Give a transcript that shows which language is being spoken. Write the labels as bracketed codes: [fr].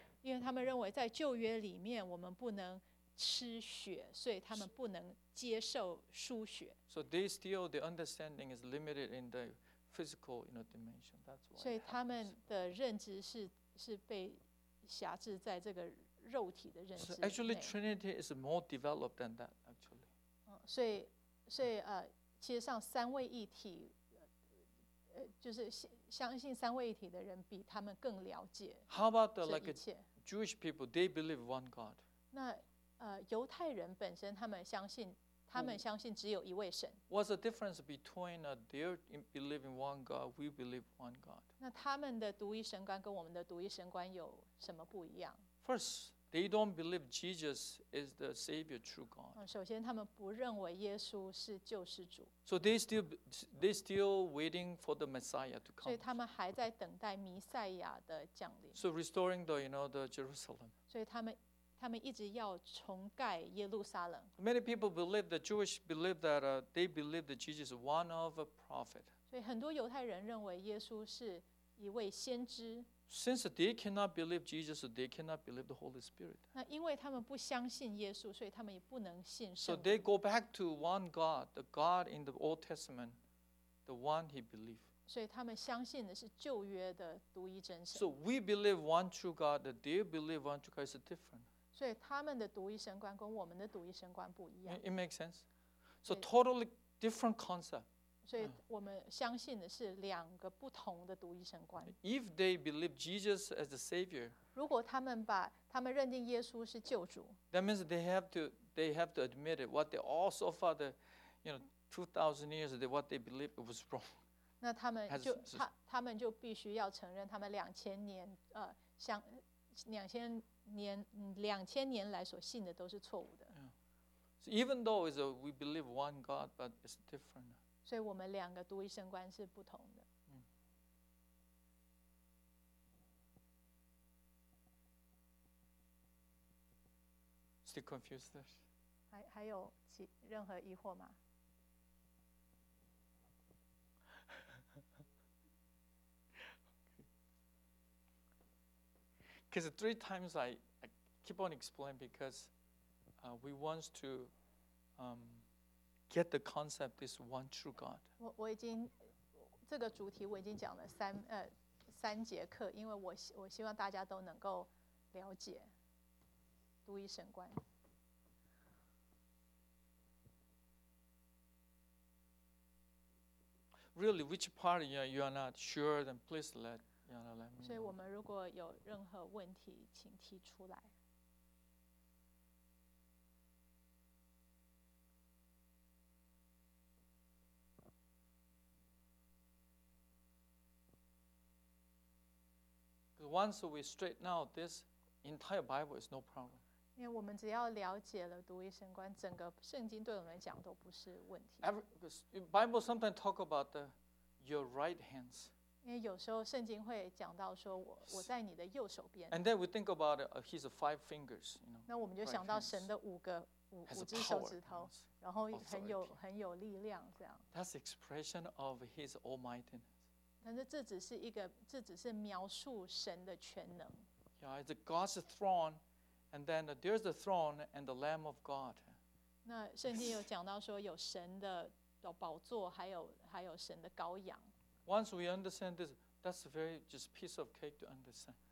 [en] Because they believe that in the Old Testament, we cannot [zh] 吃血，所以他们不能接受输血。 [en] So they still the understanding is limited in the physical, you know, dimension. That's why. [zh] 所以他们的认知是被辖制在这个肉体的认知。 [en] So actually, Trinity is more developed than that. Actually. [zh] 所以其实上三位一体，就是相信三位一体的人比他们更了解。 [en] How about the, like a Jewish people? They believe one God. [zh] 那犹太人本身他们相信只有一位神。 [en] What's the difference between their believing one God, we believe one God? [zh] 那他们的独一神观跟我们的独一神观有什么不一样？ [en] First, they don't believe Jesus is the Savior, true God. [zh] 首先他们不认为耶稣是救世主。 [en] So they still waiting for the Messiah to come. [zh] 所以他们还在等待弥赛亚的降临。 [en] So restoring the, you know, the Jerusalem. [zh] 所以他们一直要重盖耶路撒冷。 [en] Many people believe the Jewish believe that they believe that Jesus is one of a prophet. [zh] 所以很多犹太人认为耶稣是一位先知。 [en] Since they cannot believe Jesus, they cannot believe the Holy Spirit. [zh] 那因为他们不相信耶稣，所以他们也不能信 [en] 圣灵。So they go back to one God, the God in the Old Testament, the one he believed. [zh] 所以他们相信的是旧约的独一真神。 [en] So we believe one true God, that they believe one true God is different. [zh] 所以他们的独一神观跟我们的独一神观不一样。 [en] It makes sense. So totally different concept. [zh] 所以我们相信的是两个不同的独一神观。 [en] If they believe Jesus as the Savior, [zh] 如果他们认定耶稣是救主 [en] ，That means they have to admit it. What they all so far the, you know, 2,000 years they what they believe it was wrong. [zh] 那他们就必须要承认他们两千年来所信的都是错误的。 [en] Yeah. So even though it's a, we believe one God, but it's different. [zh] 所以我们两个独一神观是不同的。 [en] Still confused? [zh] 还有任何疑惑吗？ [en] Because three times I keep on explaining because we want to get the concept this one true God. [zh] 我已经这个主题我已经讲了三节课，因为我希望大家都能够了解独一神观。 [en] Really, which part you are not sure? Then please let. [zh] 所以我们如果有任何问题请提出来。 [en] Once we straighten out this entire Bible is no problem. [zh] 因为我们只要了解了独一神观，整个圣经对我们讲都不是问题。 [en] Bible sometimes talk about your right hands. [zh] 因为有时候圣经会讲到说我在你的右手边。 [en] And then we think about his five fingers, you know. [zh] 那我们就想到神的五只手指头，然后很有力量这样。 [en] That's expression of his almightiness. [zh] 但是这只是描述神的全能。 [en] Yeah, it's God's throne, and then there's the throne and the Lamb of God. [zh] 那圣经有讲到说有神的宝座，还有神的羔羊。 [en] Once we understand this, that's a very just piece of cake to understand.